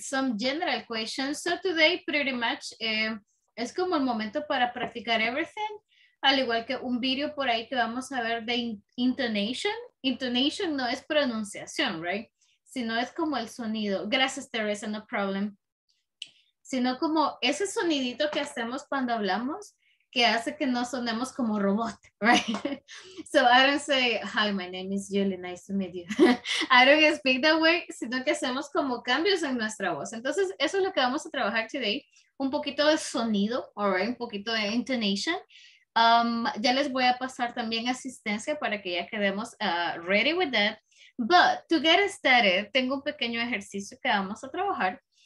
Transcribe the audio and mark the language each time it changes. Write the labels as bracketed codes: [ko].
[en] Some general questions. So, today, pretty much, [es] es como el momento para practicar everything, al igual que un video por ahí que vamos a ver de intonation. Intonation no es pronunciación, right? Sino es como el sonido. Gracias, Teresa, no problem. Sino como ese sonidito que hacemos cuando hablamos, que hace que no sonemos como robot, right? [en] So I don't say, hi, my name is Julie, nice to meet you. I don't speak that way, [es] sino que hacemos como cambios en nuestra voz. Entonces, eso es lo que vamos a trabajar today. Un poquito de sonido, all right? Un poquito de intonation. Ya les voy a pasar también asistencia para que ya quedemos [en] ready with that. But to get started, [es] tengo un pequeño ejercicio que vamos a trabajar.